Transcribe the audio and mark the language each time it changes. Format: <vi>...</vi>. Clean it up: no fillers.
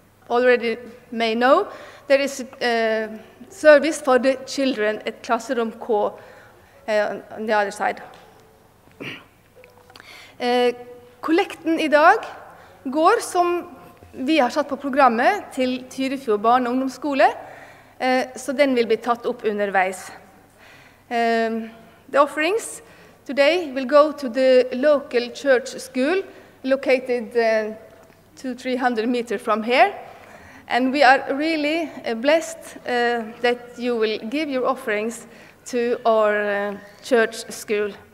<en>Already may know, there is a service for the children at Classroom K on the other side.</en> <no>Kollekten i dag går, som vi har satt på programmet, til Tyrifjord barne- og ungdomsskole, så den vil bli tatt opp underveis.</no> <en>The offerings today will go to the local church school, located 200-300 meters from here. And we are really blessed that you will give your offerings to our church school.</en>